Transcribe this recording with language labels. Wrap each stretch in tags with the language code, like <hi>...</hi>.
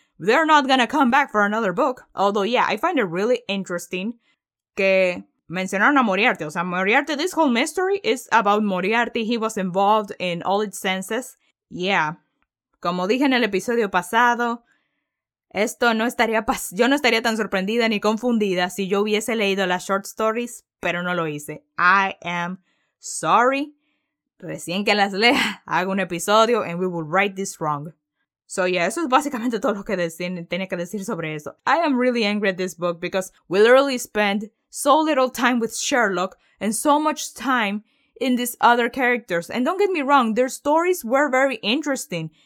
<en>they're not gonna come back for another book. Although, yeah, I find it really interesting</en> <es>que mencionaron a Moriarty. O sea,</es> <en>Moriarty, this whole mystery is about Moriarty. He was involved in all its senses. Yeah.</en> <es>Como dije en el episodio pasado, esto no estaría yo no estaría tan sorprendida ni confundida si yo hubiese leído las</es> <en>short stories,</en> <es>pero no lo hice.</es> <en>I am sorry.</en> <es>Recién que las lea, hago un episodio</es> <en>and we will write this wrong. So yeah,</en> <es>eso es básicamente todo lo que tenía que decir sobre eso.</es> <en>I am really angry at this book because we literally spend so little time with Sherlock and so much time in these other characters. And don't get me wrong, their stories were very interesting.</en>